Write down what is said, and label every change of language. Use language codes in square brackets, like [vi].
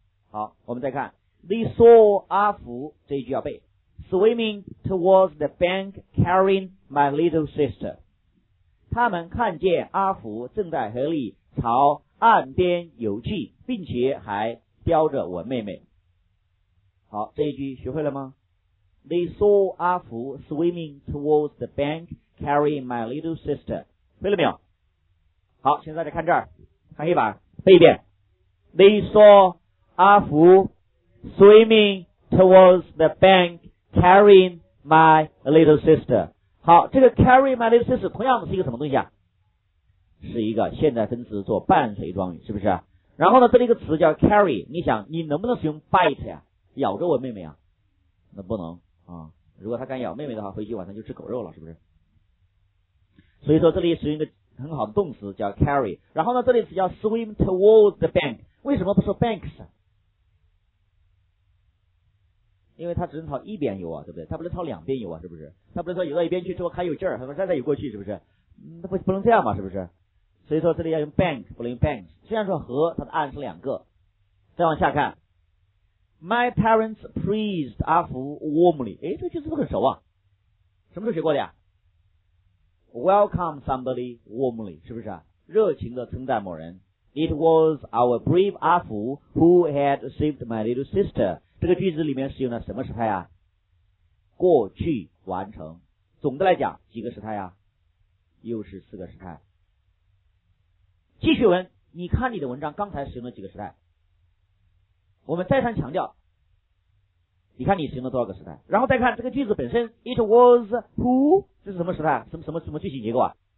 [zh] 好，我们再看 [en] They saw [zh] 阿福，这一句要背， [en] Swimming towards the bank carrying my little sister。 [zh] 他们看见阿福正在河里朝岸边游去，并且还叼着我妹妹。好，这一句学会了吗？ [en] They saw 阿福 swimming towards the bank carrying my little sister， [zh] 会了没有？好，现在再看这儿，看黑板，背一遍。 [en] They saw [zh] 阿福 [en] swimming towards the bank, carrying my little sister. [zh] 好，这个 [en] carry my little sister [zh] 同样的是一个什么东西啊？是一个现在分词做伴随状语，是不是？然后呢，这里一个词叫 carry， 你想你能不能使用 bite 呀、啊？咬着我妹妹啊？那不能啊！如果他敢咬妹妹的话，回去晚上就吃狗肉了，是不是？所以说这里使用一个很好的动词叫 carry， 然后呢，这里词叫 [en] swim towards the bank， [zh] 为什么不说 banks？因为他只能朝一边游啊，对不对？他不能朝两边游啊，是不是？他不能说游到一边去之后还有劲儿，还能再游过去，是不是？那不能这样嘛，是不是？所以说这里要用 bank， 不能用 banks。虽然说和它的案是两个，再往下看 ， [en] My parents praised 阿福 warmly。 [zh] 哎，这句子不很熟啊，什么时候学过的呀 ？ [en] Welcome somebody warmly， [zh] 是不是？热情的称赞某人。 [en] It was our brave 阿福 who had saved my little sister。 [zh] 这个句子里面使用了什么时态啊？过去完成。总的来讲几个时态啊？又是四个时态。继续文，你看你的文章刚才使用了几个时态，我们再三强调，你看你使用了多少个时态，然后再看这个句子本身 [en] It was who， [zh] 这是什么时态，什么句型结构啊？